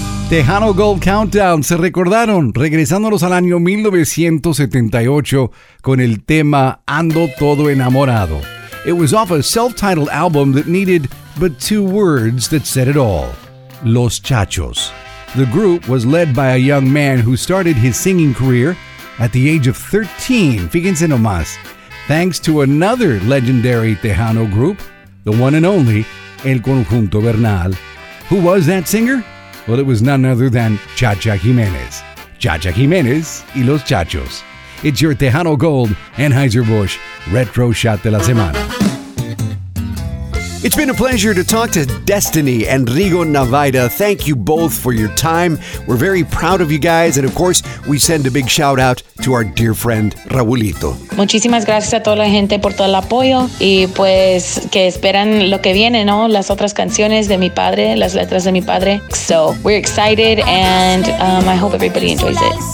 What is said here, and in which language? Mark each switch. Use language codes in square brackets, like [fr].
[es] Tejano Gold Countdown, se recordaron, regresándonos al año 1978 con el tema Ando Todo Enamorado. [en] It was off a self-titled album that needed but two words that said it all. Los Chachos. The group was led by a young man who started his singing career at the age of 13, [es] fíjense nomás, [en] thanks to another legendary Tejano group, the one and only El Conjunto Bernal. Who was that singer? Well, it was none other than Chacha Jimenez. Chacha Jimenez y Los Chachos. It's your Tejano Gold Anheuser-Busch Retro Shot de la Semana. It's been a pleasure to talk to Destiny and Rigo Navaida. Thank you both for your time. We're very proud of you guys. And of course, we send a big shout out to our dear friend, Raulito. [es] Muchísimas gracias a toda la gente por todo el apoyo. Y pues, que esperan lo que viene, ¿no? Las otras canciones de mi padre, las letras de mi padre. [en] So, we're excited and I hope everybody enjoys it.